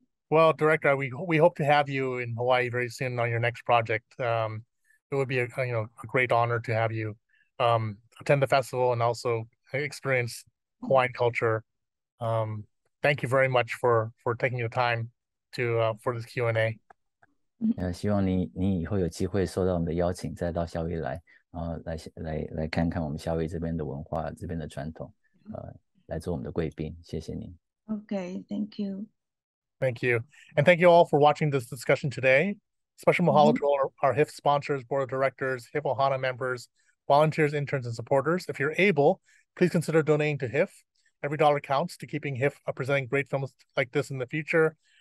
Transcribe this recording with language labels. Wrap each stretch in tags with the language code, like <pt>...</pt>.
<en>Well, director, we hope to have you in Hawaii very soon on your next project. It would be a great honor to have you attend the festival and also experience Hawaiian culture. Thank you very much for taking your time for this Q&A.</en> <zh>希望你以后有机会受到我们的邀请，再到夏威夷来，然后来看看我们夏威夷这边的文化、这边的传统，来做我们的贵宾。谢谢您。</zh> <en>Okay, thank you. Thank you. And thank you all for watching this discussion today. Special mahalo to our HIFF sponsors, board of directors, HIFF Ohana members, volunteers, interns, and supporters. If you're able, please consider donating to HIFF. Every dollar counts to keeping HIFF presenting great films like this in the future.</en>